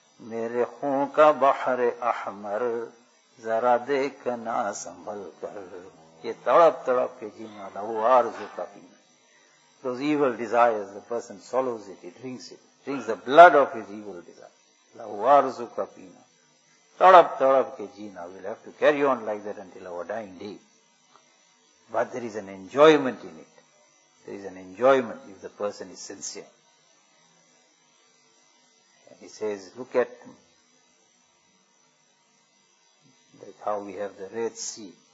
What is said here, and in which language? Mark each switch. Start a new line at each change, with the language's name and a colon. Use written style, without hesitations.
Urdu: میرے خون کا بحر احمر ذرا دیکھ نہ سنبھل کر یہ تڑپ تڑپ کے جینا لہو آرزو کا پینا.
English: Those evil desires, the person swallows it, he drinks it, drinks the blood of his evil desire.
Urdu: لہو آرزو کا پینا, تڑپ تڑپ کے جینا.
English: We'll have to carry on like that until our dying day. But there is an enjoyment in it. There is an enjoyment if the person is sincere. He says, look at that, how we have the Red Sea.